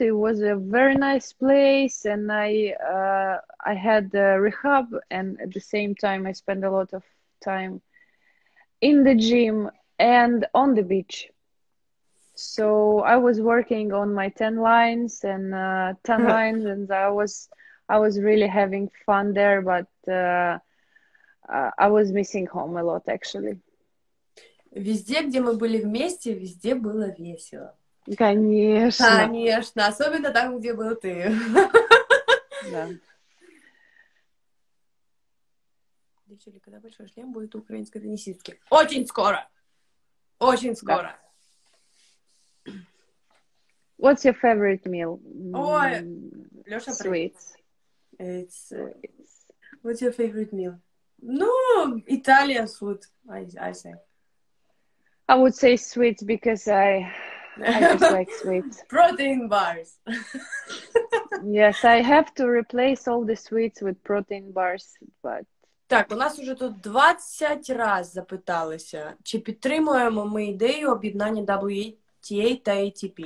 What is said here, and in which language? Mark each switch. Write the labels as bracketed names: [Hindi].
[English] It was a very nice place, and I had the rehab, and at the same time I spent a lot of time in the gym and on the beach. So I was working on my 10 lines and 10 lines, and I was really having fun there, but I was missing home a lot, actually. [Russian] Везде, где мы были вместе, везде было весело. Конечно. Конечно, особенно там, где был ты. Да. Девчонки, когда большой шлем будет у украинской теннисистки? Очень скоро! Очень скоро! Да. [English] What's your favorite meal? [Russian] Ой, Лёша, привет. [English] What's your favorite meal? [Russian] Ну, [English] Italian food, I say. I would say sweets because I just like sweets. Protein bars. Yes, I have to replace all the sweets with protein bars, but... [Ukrainian] Так, у нас уже тут 20 раз запиталися. Чи підтримуємо ми ідею об'єднання WTA та ATP?